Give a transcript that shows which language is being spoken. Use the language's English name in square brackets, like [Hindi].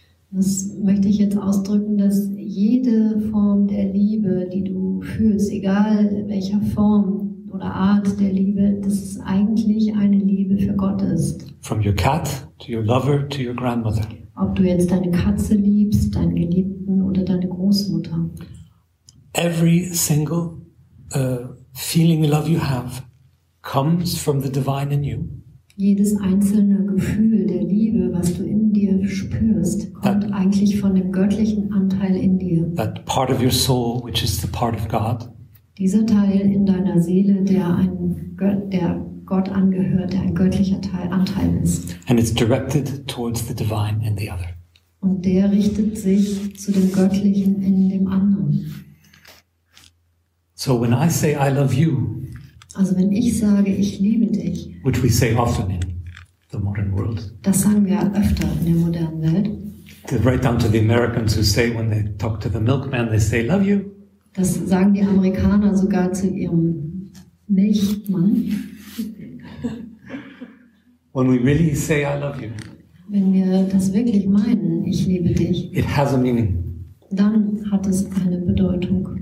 [German] Das möchte ich jetzt ausdrücken, dass jede Form der Liebe, die du fühlst, egal in welcher Form oder Art der Liebe, das ist eigentlich eine Liebe für Gott ist. [English] From your cat to your lover to your grandmother. [German] Ob du jetzt deine Katze liebst, deinen Geliebten oder deine Großmutter. [English] Every single feeling of love you have comes from the divine in you. [German] Jedes einzelne Gefühl der Liebe, was du in dir spürst, kommt that, eigentlich von dem göttlichen Anteil in dir. [English] That part of your soul, which is the part of God. [German] Dieser Teil in deiner Seele, der Gott angehört, der ein göttlicher Anteil ist. [English] And it's directed towards the divine in the other. [German] Und der richtet sich zu dem Göttlichen in dem anderen. [English] So when I say I love you, [German] also wenn ich sage, ich liebe dich, [English] which we say often in the modern world. [German] Das sagen wir öfter in der modernen Welt. [English] Right down to the Americans who say when they talk to the milkman, they say, love you. [German] Das sagen die Amerikaner sogar zu ihrem Milchmann. [English] When we really say, I love you. [German] Wenn wir das wirklich meinen, ich liebe dich. [English] It has a meaning. [German] Dann hat es eine Bedeutung.